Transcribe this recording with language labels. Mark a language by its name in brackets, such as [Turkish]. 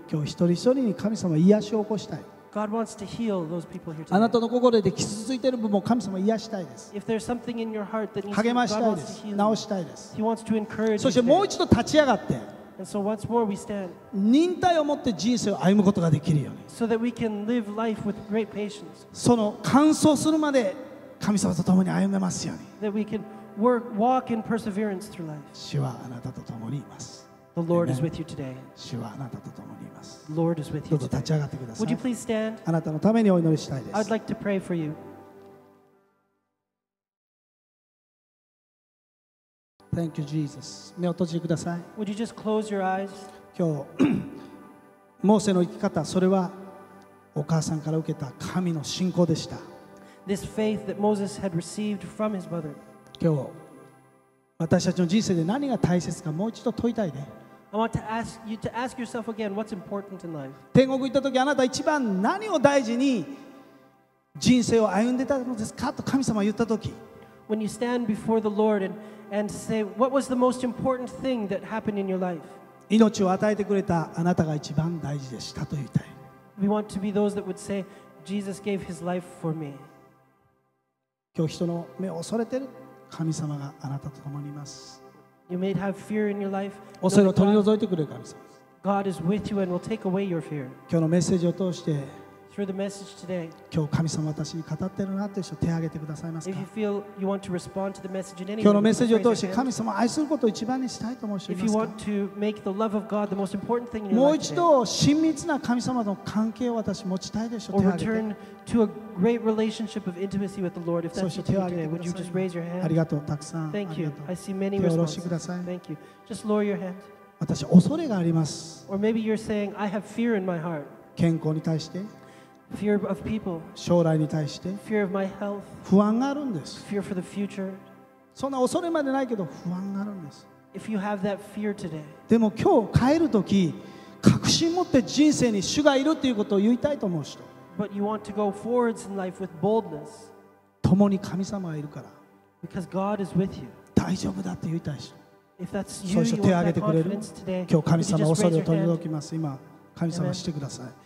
[English] God wants to heal those people here today. [Japanese] あなたの心で傷ついている部分を神様癒したいです。 [English] If there's something in your heart that needs to be God wants to heal, [Japanese] 励ましたいです。直したいです。 [English] He wants to encourage [Japanese] you. そしてもう一度立ち上がって。 [English] And so once more we stand. [Japanese] 忍耐を持って人生を歩むことができるように。 [English] So that we can live life with great patience. [Japanese] その完走するまで神様と共に歩めますように。 [English] That we can work, walk in perseverance through life. [Japanese] 主はあなたと共にいます。 [English] The Lord is with you today. [Japanese] 主はあなたと共にいます。 [English] The Lord is with you today. [Japanese] どうぞ立ち上がってください。 [English] Would you please stand? [Japanese] あなたのためにお祈りしたいです。 [English] I'd like to pray for you. Thank you, Jesus. [Japanese] 目を閉じてください。 [English] Would you just close your eyes? [Japanese] 今日、モーセの生き方、それはお母さんから受けた神の信仰でした。 [English] This faith that Moses had received from his mother. [Japanese] 今日私たちの人生で何が大切かもう一度問いたいね。 [English] I want to ask you to ask yourself again what's important in life. [Japanese] 天国行った時あなた一番何を大事に人生を歩んでたのですかと神様言った時。 [English] When you stand before the Lord and say what was the most important thing that happened in your life? [Japanese] 命を与えてくれたあなたが一番大事でしたと言いたい。 [English] We want to be those that would say Jesus gave his life for me. [Japanese] 今日人の目を恐れてる。神様があなたと共にいます。 [English] You may have fear in your life. [Japanese] 恐れを取り除いてくれる神様。 [English] God is with you and will take away your fear. [Japanese] 今日のメッセージを通して、 [English] through the message today, [Japanese] 今日神様私に語ってるなという人手を挙げてくださいますか。 [English] If you feel you want to respond to the message in any way, [Japanese] 今日のメッセージを通して神様を愛することを一番にしたいと思う人いますか。 [English] If you want to make the love of God the most important thing in your life, [Japanese] もう一度親密な神様との関係を私持ちたいでしょ。手を挙げて。 [English] Or return to a great relationship of intimacy with the Lord. If that's you today, would you just raise your hand? [Japanese] ありがとう、たくさん。 [English] Thank you. I see many [Japanese] responses. 手を下ろしてください。 [English] Thank you. Just lower your hand. [Japanese] 私恐れがあります。 [English] Or maybe you're saying I have fear in my heart. [Japanese] 健康に対して。 [English] Fear of people. [Japanese] 将来に対して。 [English] Fear of my health. [Japanese] 不安があるんです。 [English] Fear for the future. [Japanese] そんな恐れまでないけど不安があるんです。 [English] If you have that fear today. [Japanese] でも今日帰るとき確信持って人生に主がいるということを言いたいと思う人。 [English] But you want to go forwards in life with boldness. [Japanese] 共に神様がいるから。 [English] Because God is with you. [Japanese] 大丈夫だって言いたい人。 [English] If that's you, you want that confidence today. [Japanese] 今日神様恐れを取り除きます。今神様してください。